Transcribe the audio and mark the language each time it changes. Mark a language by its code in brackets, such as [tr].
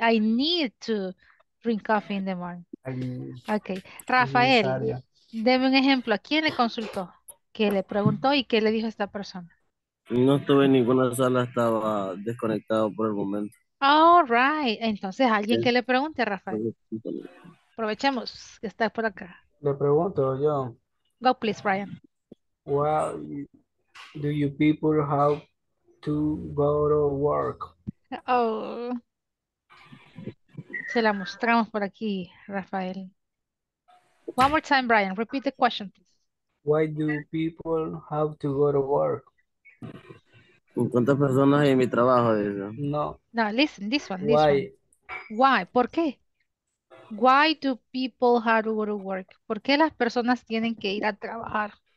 [en] I need to drink coffee in the morning. [es] Okay. Rafael, deme un ejemplo. ¿A quién le consultó? ¿Qué le preguntó y qué le dijo esta persona? No estuve en ninguna sala. Estaba desconectado por el momento. [en] All right. [es] Entonces, ¿alguien que le pregunte, Rafael? Aprovechemos que estás por acá. Le pregunto yo. [en] Go please, Brian. Well, do you people have to go to work? Oh. [es] Se la mostramos por aquí, [en] Rafael. One more time, Brian. Repeat the question, please. Why do people have to go to work? [es] ¿Cuántas personas hay en mi trabajo? No. [en] No, listen, this one. This Why? One. Why? [es] ¿Por qué? [en] Why do people have to go to work? [es] ¿Por qué las personas tienen que ir a trabajar?